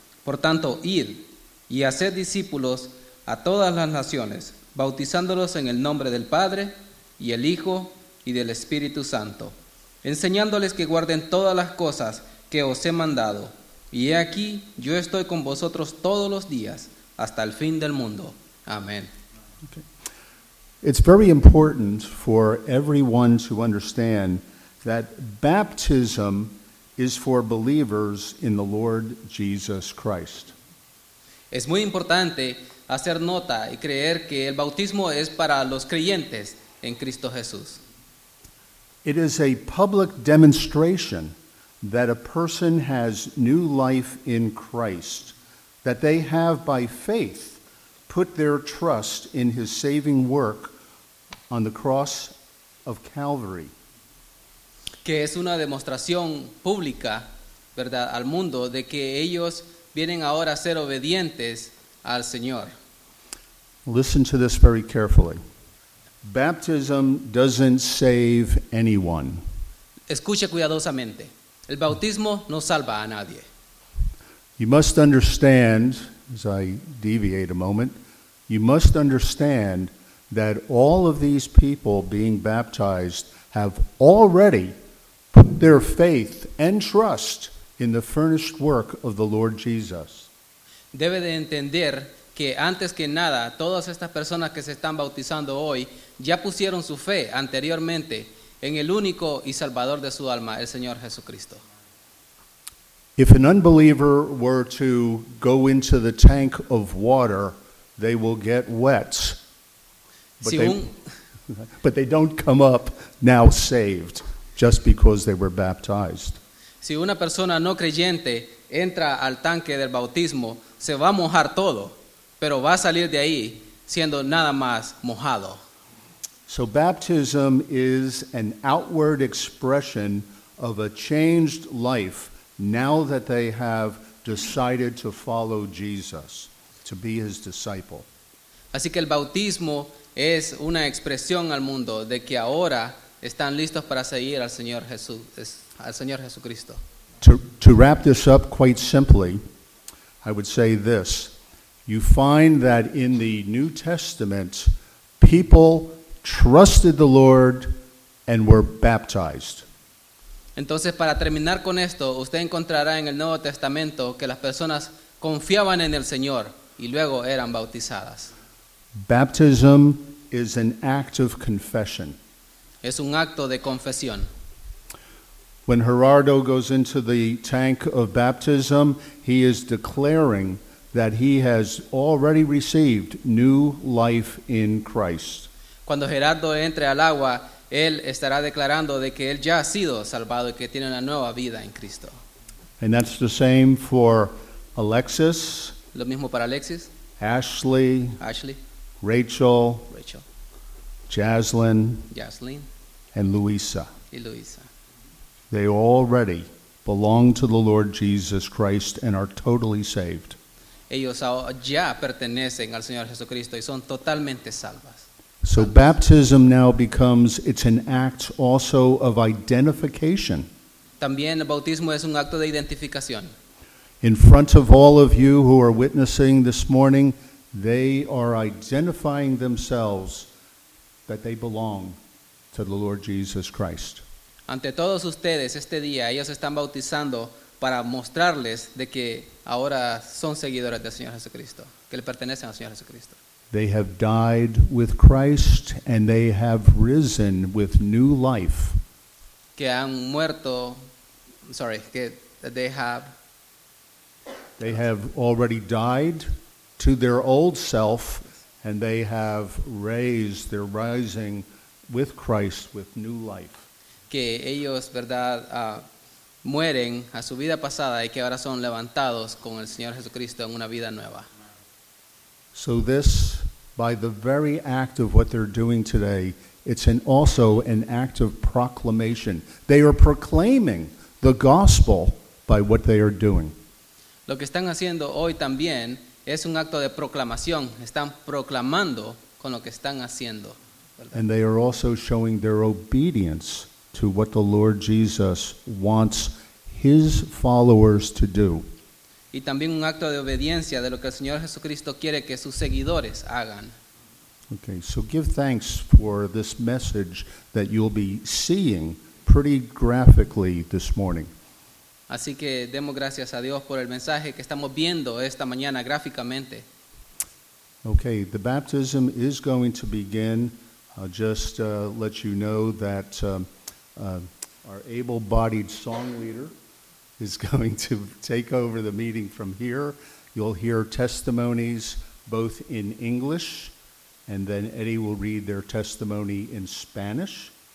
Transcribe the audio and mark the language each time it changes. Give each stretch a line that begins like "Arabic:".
Spanish: Por tanto, id y haced discípulos a todas las naciones, bautizándolos en el nombre del Padre y el Hijo y del Espíritu Santo, enseñándoles que guarden todas las cosas que os he mandado. Y he aquí, yo estoy con vosotros todos los días hasta el fin del mundo. Amén."
English: Okay. It's very important for everyone to understand that baptism is for believers in the Lord Jesus Christ.
Spanish: Es muy importante hacer nota y creer que el bautismo es para los creyentes en Cristo Jesús.
English: It is a public demonstration that a person has new life in Christ, that they have by faith put their trust in his saving work on the cross of Calvary.
Spanish: Que es una demostración pública, ¿verdad?, al mundo de que ellos vienen ahora a ser obedientes al Señor.
English: Listen to this very carefully. Baptism doesn't save anyone.
Spanish: Escuche cuidadosamente. El bautismo no salva a nadie.
English: You must understand, as I deviate a moment, you must understand that all of these people being baptized have already put their faith and trust in the finished work of the Lord Jesus.
Spanish: Debe de entender que antes que nada, todas estas personas que se están bautizando hoy ya pusieron su fe anteriormente en el único y salvador de su alma, el Señor Jesucristo.
English: If an unbeliever were to go into the tank of water, they will get wet, but they don't come up now saved just because they were baptized.
Spanish: Si una persona no creyente entra al tanque del bautismo, se va a mojar todo, pero va a salir de ahí siendo nada más mojado.
English: So baptism is an outward expression of a changed life now that they have decided to follow Jesus, to be his disciple.
Spanish: Así que el bautismo es una expresión al mundo de que ahora están listos para seguir al Señor Jesús, al Señor Jesucristo.
English: To wrap this up quite simply, I would say this: you find that in the New Testament, people trusted the Lord and were baptized.
Spanish: Entonces, para terminar con esto, usted encontrará en el Nuevo Testamento que las personas confiaban en el Señor y luego eran bautizadas.
English: Baptism is an act of confession.
Spanish: Es un acto de confesión.
English: When Gerardo goes into the tank of baptism, he is declaring that he has already received new life in Christ.
Spanish: Cuando Gerardo entre al agua, él estará declarando de que él ya ha sido salvado y que tiene una nueva vida en Cristo.
English: And that's the same for Alexis.
Spanish: Lo mismo para Alexis.
English: Ashley. Rachel. Jaslyn. And Luisa.
Spanish: Y Luisa.
English: They already belong to the Lord Jesus Christ and are totally saved.
Spanish: Ellos ya pertenecen al Señor Jesucristo y son totalmente salvas.
English: So baptism now becomes, it's an act also of identification.
Spanish: También el bautismo es un acto de identificación.
English: In front of all of you who are witnessing this morning, they are identifying themselves that they belong to the Lord Jesus Christ.
Spanish: Ante todos ustedes este día, ellos están bautizando para mostrarles de que ahora son seguidores del Señor Jesucristo, que le pertenecen al Señor Jesucristo.
English: They have died with Christ and they have risen with new life.
Spanish: Que han muerto,
English: sorry,
Spanish: que
English: they have. They have already died to their old self and they have raised, they're rising with Christ with new life.
Spanish: Que ellos, verdad, mueren a su vida pasada y que ahora son levantados con el Señor Jesucristo en una vida nueva.
English: So this, by the very act of what they're doing today, it's an also an act of proclamation. They are proclaiming the gospel by what they are doing.
Spanish: Lo que están haciendo hoy también es un acto de proclamación. Están proclamando con lo que están haciendo.
English: And they are also showing their obedience to what the Lord Jesus wants his followers to do.
Spanish: Y también un acto de obediencia de lo que el Señor Jesucristo quiere que sus seguidores hagan.
English: Okay, so give thanks for this message that you'll be seeing pretty graphically this morning.
Spanish: Así que demos gracias a Dios por el mensaje que estamos viendo esta mañana gráficamente.
English: Okay, the baptism is going to begin. I'll just let you know that our able-bodied song leader is going to take over the meeting from here. You'll hear testimonies both in English, and then Eddie will read their testimony in Spanish.